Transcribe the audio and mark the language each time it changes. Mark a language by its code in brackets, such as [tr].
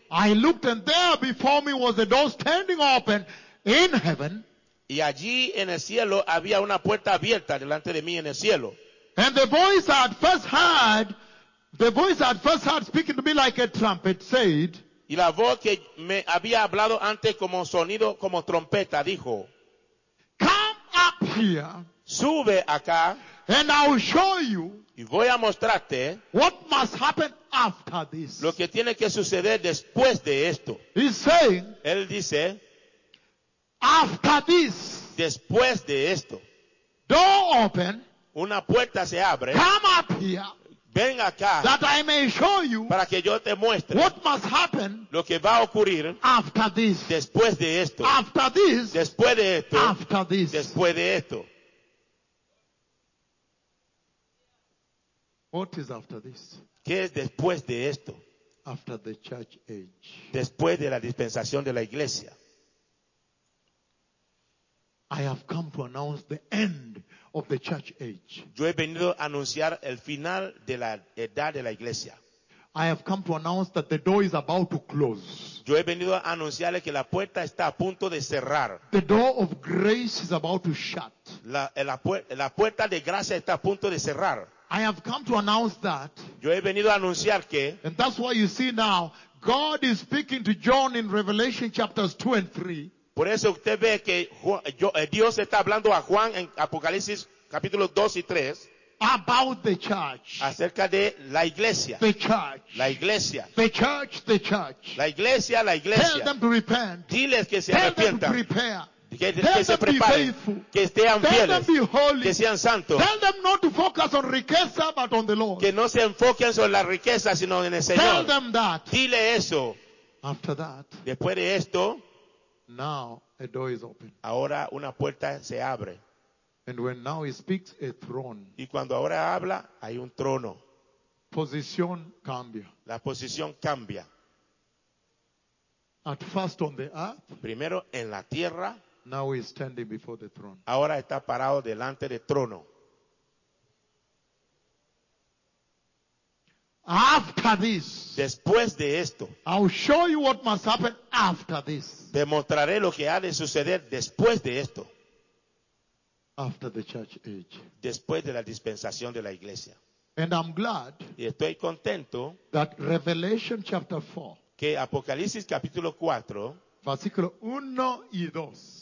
[en] I looked and there before me was a door standing open in heaven. [es] Y allí en el cielo había una puerta abierta delante de mí en el cielo. [en] And the voice I had first heard speaking to me like a trumpet said. [es] Y la voz que me había hablado antes como sonido como trompeta dijo. [en] Come up here. [es] Sube acá. [en] And I will show you. [es] Y voy a mostrarte. [en] What must happen after this. [es] Lo que tiene que suceder después de esto. [en] He's saying. [es] Él dice. [en] After this. [es] Después de esto. [en] Door open. [es] Una puerta se abre. [en] Come up here. [es] Ven acá. [en] That I may show you. [es] Para que yo te muestre. [en] What must happen. [es] Lo que va a ocurrir. [en] After this. [es] Después de esto. [en] After this. [es] Después de esto. [en] After this. [es] Después de esto. [en] What is after this? [es] ¿Qué es después de esto? [en] After the church age. [es] Después de la dispensación de la iglesia. [en] I have come to announce the end of the church age. [es] Yo he venido a anunciar el final de la edad de la iglesia. [en] I have come to announce that the door is about to close. [es] Yo he venido a anunciarle que la puerta está a punto de cerrar. [en] The door of grace is about to shut. [es] La puerta de gracia está a punto de cerrar. [en] I have come to announce that. [es] Yo he venido a anunciar que. [en] And that's why you see now, God is speaking to John in Revelation chapters 2 and 3. [es] Por eso usted ve que Dios está hablando a Juan en Apocalipsis capítulos 2 y 3. [en] About the church. [es] Acerca de la iglesia. [en] The church. [es] La iglesia. [en] The church, the church. [es] La iglesia, la iglesia. [en] Tell them to repent. [es] Diles que se [en] Tell [es] arrepientan. [en] Them to prepare. [es] Que se preparen. Que sean [en] Tell [es] fieles. [en] Them be holy. [es] Que sean santos. [en] Tell them not to focus on riqueza, but on the Lord. [es] Que no se enfoquen sobre la riqueza, sino en el Señor. [en] Tell them that. [es] Dile eso. [en] After that. [es] Después de esto. [en] Now a door is open. [es] Ahora una puerta se abre. [en] And when now he speaks, a throne. [es] Y cuando ahora habla, hay un trono. Posición cambia. La posición cambia. [en] At first on the earth. [es] Primero en la tierra. [en] Now he's standing before the throne. [es] Ahora está parado delante del trono. [en] After this. [es] Después de esto. [en] I'll show you what must happen after this. [es] Demostraré lo que ha de suceder después de esto. [en] After the church age. [es] Después de la dispensación de la iglesia. [en] And I'm glad. [es] Y estoy contento. [en] That Revelation chapter 4. [es] Que Apocalipsis capítulo 4. Versículo 1 y 2.